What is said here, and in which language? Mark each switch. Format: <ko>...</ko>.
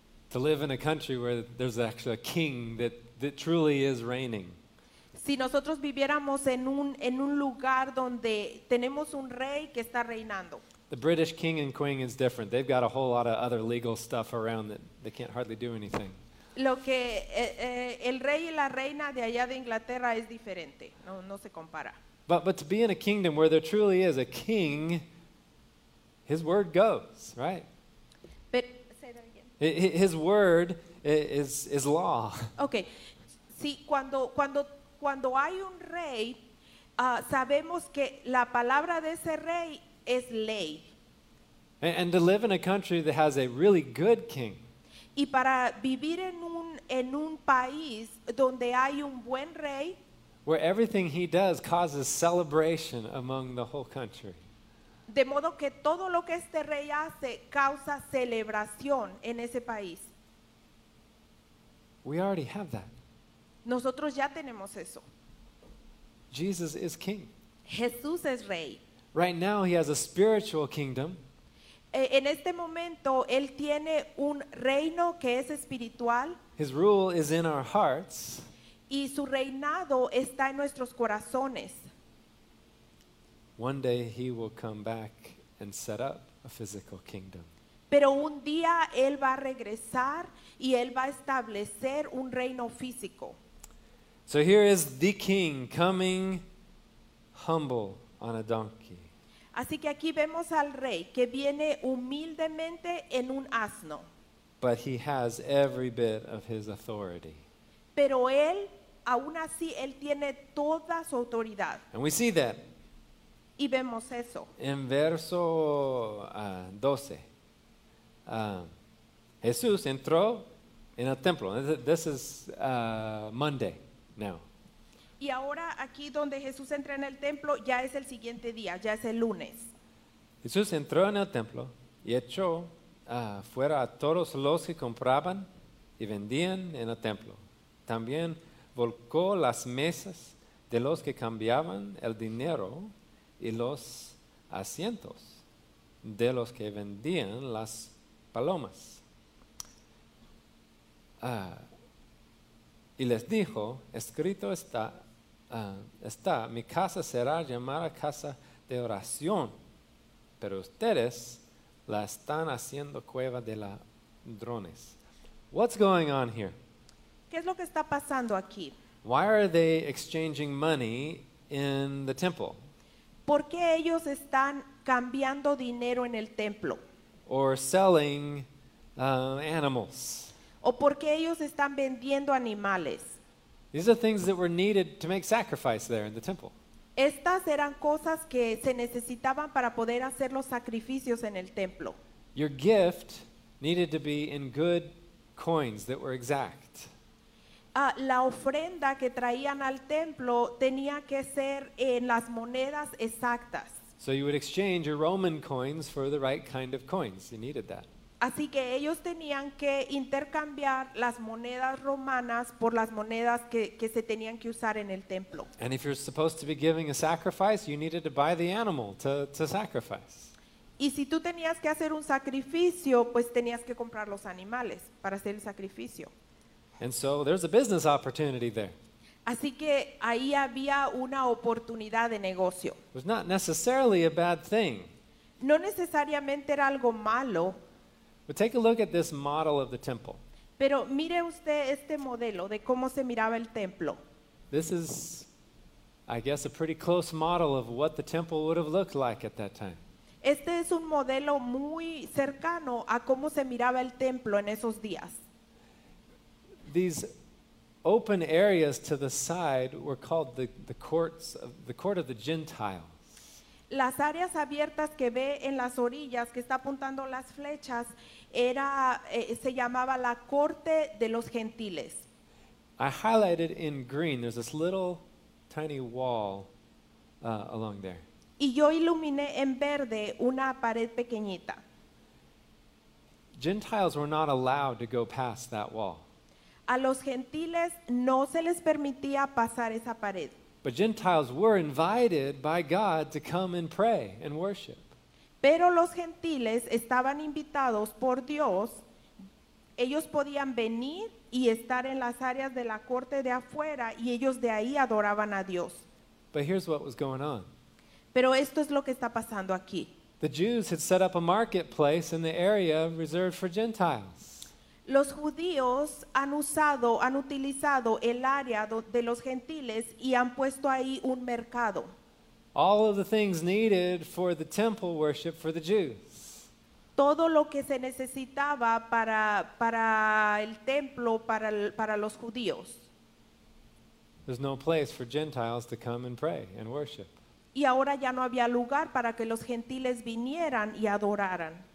<en>To live in a country where there's actually a king that truly is reigning.</en> <es>Si nosotros viviéramos en un lugar donde tenemos un rey que está reinando.</es> <en>The British king and queen is different. They've got a whole lot of other legal stuff around that they can't hardly do anything.</en> <es>Lo que el rey y la reina de allá de Inglaterra es diferente. No se compara.</es> <en>But to be in a kingdom where there truly is a king, his word goes, right? But say that again. His word is law. Okay.</en> <es>Sí, cuando hay un rey, sabemos que la palabra de ese rey es ley.</es> <en>And to live in a country that has a really good king.</en> <es>Y para vivir en un país donde hay un buen rey.</es> <en>Where everything he does causes celebration among the whole country.</en> <es>De modo que todo lo que este rey hace causa celebración en ese país.</es> <en>We already have that.</en> <es>Nosotros ya tenemos eso.</es> <en>Jesus is king.</en> <es>Jesús es rey.</es> <en>Right now he has a spiritual kingdom.</en> <es>En este momento él tiene un reino que es espiritual.</es> <en>His rule is in our hearts.</en> <es>Y su reinado está en nuestros corazones.</es> <en>One day he will come back and set up a physical kingdom.</en> <es>Pero un día él va a regresar y él va a establecer un reino físico.</es> <en>So here is the king coming humble on a donkey.</en> <es>Así que aquí vemos al rey que viene humildemente en un asno.</es> <en>But he has every bit of his authority.</en> <es>Pero él, aún así, él tiene toda su autoridad.</es> <en>And we see that.</en> <es>Y vemos eso. En verso 12. Jesús entró en el templo.</es> <en>This is Monday. Now.</en> <es>Y ahora aquí donde Jesús entra en el templo ya es el siguiente día, ya es el lunes. Jesús entró en el templo y echó fuera a todos los que compraban y vendían en el templo. También volcó las mesas de los que cambiaban el dinero y los asientos de los que vendían las palomas. Y les dijo, escrito está, mi casa será llamada casa de oración, pero ustedes la están haciendo cueva de ladrones.</es> <en>What's going on here?</en> <es>¿Qué es lo que está pasando aquí?</es> <en>Why are they exchanging money in the temple?</en> <es>¿Por qué ellos están cambiando dinero en el templo?</es> <en>Or selling animals.</en> <es>¿O por qué ellos están vendiendo animales?</es> <en>These are things that were needed to make sacrifice there in the temple.</en> <es>Estas eran cosas que se necesitaban para poder hacer los sacrificios en el templo.</es> <en>Your gift needed to be in good coins that were exact.</en> <es>La ofrenda que traían al templo tenía que ser en las monedas exactas.</es> <en>So you would exchange your Roman coins for the right kind of coins. You needed that.</en> <es>Así que ellos tenían que intercambiar las monedas romanas por las monedas que se tenían que usar en el templo.</es> <en>And if you're supposed to be giving a sacrifice, you needed to buy the animal to sacrifice.</en> <es>Y si tú tenías que hacer un sacrificio, pues tenías que comprar los animales para hacer el sacrificio.</es> <en>And so there's a business opportunity there.</en> <es>Así que ahí había una oportunidad de negocio.</es> <en>It was not necessarily a bad thing.</en> <es>No necesariamente era algo malo.</es> <en>But take a look at this model of the temple.</en> <es>Pero mire usted este modelo de cómo se miraba el templo.</es> <en>This is, I guess, a pretty close model of what the temple would have looked like at that time.</en> <es>Este es un modelo muy cercano a cómo se miraba el templo en esos días.</es> <en>These open areas to the side were called the courts of the court of the Gentiles.</en> <es>Las áreas abiertas que ve en las orillas que está apuntando las flechas era se llamaba la corte de los gentiles.</es> <en>I highlighted in green, there's this little tiny wall along there.</en> <es>Y yo iluminé en verde una pared pequeñita.</es> <en>Gentiles were not allowed to go past that wall.</en> <es>A los gentiles no se les permitía pasar esa pared.</es> <en>But Gentiles were invited by God to come and pray and worship.</en> <es>Pero los gentiles estaban invitados por Dios. Ellos podían venir y estar en las áreas de la corte de afuera y ellos de ahí adoraban a Dios.</es> <en>But here's what was going on.</en> <es>Pero esto es lo que está pasando aquí.</es> <en>The Jews had set up a marketplace in the area reserved for Gentiles.</en> <es>Los judíos han utilizado el área de los gentiles y han puesto ahí un mercado.</es> <en>All of the things needed for the temple worship for the Jews.</en> <es>Todo lo que se necesitaba para el templo para los judíos.</es> <en>There's no place for Gentiles to come and pray and worship.</en> <es>Y ahora ya no había lugar para que los gentiles vinieran y adoraran.</es>